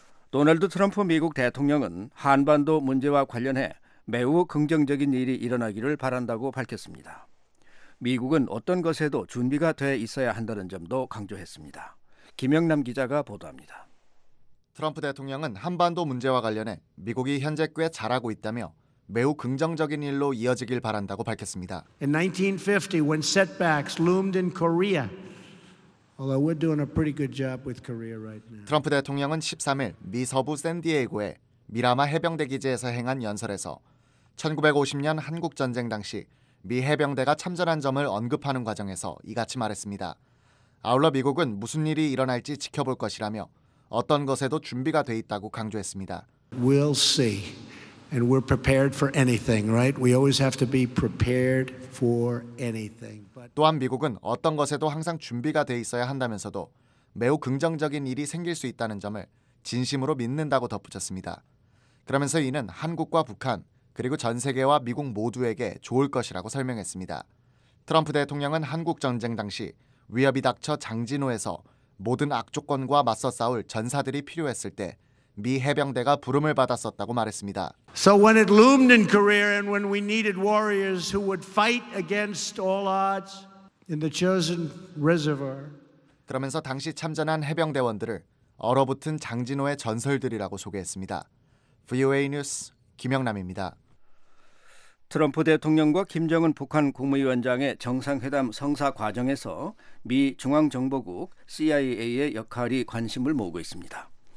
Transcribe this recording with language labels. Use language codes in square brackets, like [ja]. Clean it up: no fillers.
[ko] 도널드 트럼프 미국 대통령은 한반도 문제와 관련해 매우 긍정적인 일이 일어나기를 바란다고 밝혔습니다. 미국은 어떤 것에도 준비가 돼 있어야 한다는 점도 강조했습니다. 김영남 기자가 보도합니다. 트럼프 대통령은 한반도 문제와 관련해 미국이 현재 꽤 잘하고 있다며 매우 긍정적인 일로 이어지길 바란다고 밝혔습니다. [en] In 1950, when setbacks loomed in Korea, although we're doing a pretty good job with Korea right now. [ko] 트럼프 대통령은 13일 미 서부 샌디에이고의 미라마 해병대 기지에서 행한 연설에서 1950년 한국 전쟁 당시 미 해병대가 참전한 점을 언급하는 과정에서 이같이 말했습니다. 아울러 미국은 무슨 일이 일어날지 지켜볼 것이라며 어떤 것에도 준비가 돼 있다고 강조했습니다. [en] We'll see. And we're prepared for anything, right? We always have to be prepared for anything. [ko] 또한 미국은 어떤 것에도 항상 준비가 돼 있어야 한다면서도 매우 긍정적인 일이 생길 수 있다는 점을 진심으로 믿는다고 덧붙였습니다. 그러면서 이는 한국과 북한, 그리고 전 세계와 미국 모두에게 좋을 것이라고 설명했습니다. 트럼프 대통령은 한국 전쟁 당시 위협이 닥쳐 장진호에서 모든 악조건과 맞서 싸울 전사들이 필요했을 때 미 해병대가 부름을 받았었다고 말했습니다. [en] So when it loomed in Korea and when we needed warriors who would fight against all odds in the chosen reservoir. [ko] 그러면서 당시 참전한 해병대원들을 얼어붙은 장진호의 전설들이라고 소개했습니다. VOA 뉴스 김영남입니다. 트럼프 대통령과 김정은 북한 국무위원장의 정상회담 성사 과정에서 미 중앙정보국 CIA의 역할이 관심을 모으고 있습니다.